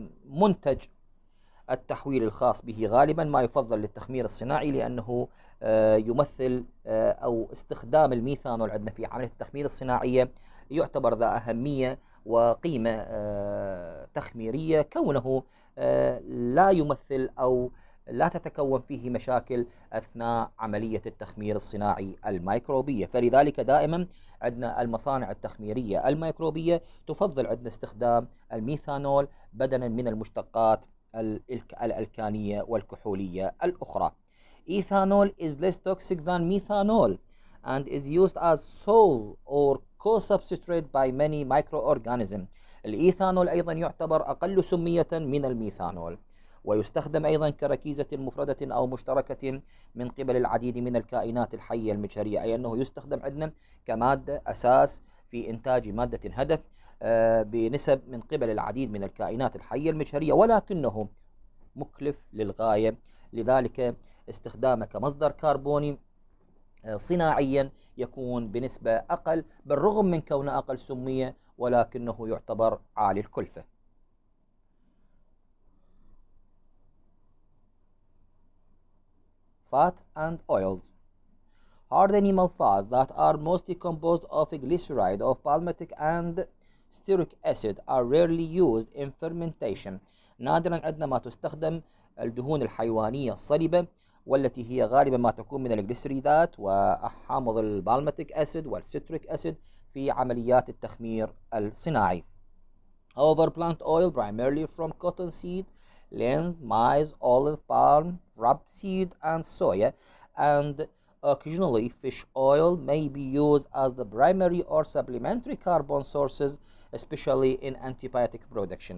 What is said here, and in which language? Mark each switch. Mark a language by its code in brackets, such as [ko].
[ar] منتج التحويل الخاص به غالبا ما يفضل للتخمير الصناعي، لأنه يمثل أو استخدام الميثانول عندنا في عملية التخمير الصناعية يعتبر ذا أهمية وقيمة تخميرية كونه لا يمثل أو لا تتكون فيه مشاكل أثناء عملية التخمير الصناعي الميكروبية. فلذلك دائما عندنا المصانع التخميرية الميكروبية تفضل عندنا استخدام الميثانول بدلا من المشتقات الألكانية والكحولية الأخرى. [en] Ethanol is less toxic than methanol and is used as sole or co-substituted by many microorganisms. [ar] الإيثانول أيضا يعتبر أقل سمية من الميثانول، ويستخدم أيضا كركيزة مفردة أو مشتركة من قبل العديد من الكائنات الحية المجهرية، أي أنه يستخدم عندنا كمادة أساس في إنتاج مادة هدف بنسب من قبل العديد من الكائنات الحية المجهرية، ولكنه مكلف للغاية، لذلك استخدامه كمصدر كربوني صناعيا يكون بنسبة أقل، بالرغم من كونه أقل سمية ولكنه يعتبر عالي الكلفة. [en] Fat and oils. Hard animal fats that are mostly composed of glyceride of palmitic and stearic acid are rarely used in fermentation. [ar] نادرا عندنا ما تستخدم الدهون الحيوانية الصلبة والتي هي غالبا ما تكون من الجليسريدات وحامض البالماتيك اسيد والستريك اسيد في عمليات التخمير الصناعي. [en] However, plant oil primarily from cotton seed, lean, maize, olive, palm, rapeseed and soya and occasionally fish oil may be used as the primary or supplementary carbon sources especially in antibiotic production.